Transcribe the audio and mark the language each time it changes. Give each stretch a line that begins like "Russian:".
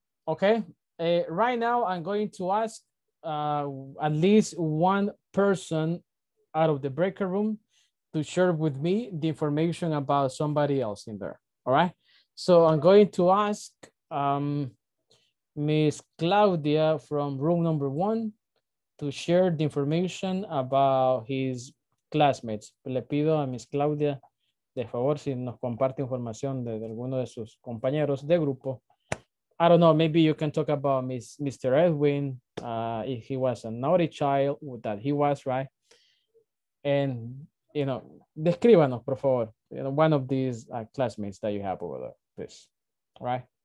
English: Okay, right now I'm going to ask at least one person out of the breaker room to share with me the information about somebody else in there. All right, so I'm going to ask Miss Claudia from room number one to share the information about his classmates.
Spanish: Le pido a Miss Claudia. De favor, si nos comparte información de alguno de sus compañeros de grupo.
English: I don't know, maybe you can talk about Mr. Edwin, if he was a naughty child, that he was, right? And, you know,
Spanish: descríbanos, por favor,
English: you know, one of these classmates that you have over there, please, right?